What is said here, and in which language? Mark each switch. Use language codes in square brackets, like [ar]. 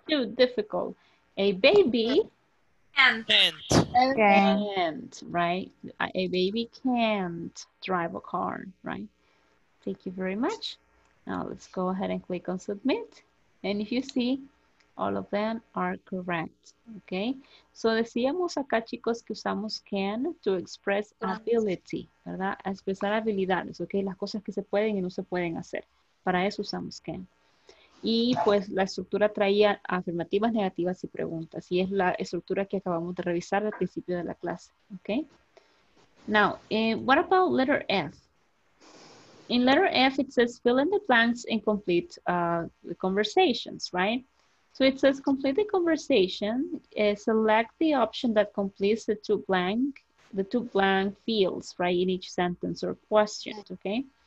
[en] Too difficult. A baby. Can't. Right. A baby can't drive a car. Right. Thank you very much. Now let's go ahead and click on submit. And if you see, all of them are correct. Okay. [es] So decíamos acá, chicos, que usamos [en] can to express ability, [es] ¿verdad? A expresar habilidades, okay? Las cosas que se pueden y no se pueden hacer. Para eso usamos can. Y pues la estructura traía afirmativas, negativas y preguntas. Y es la estructura que acabamos de revisar al principio de la clase, okay? [en] Now, what about letter F? In letter F, it says fill in the blanks and complete the conversations, right? So it says complete the conversation, select the option that completes the two blank fields, right, in each sentence or question, okay?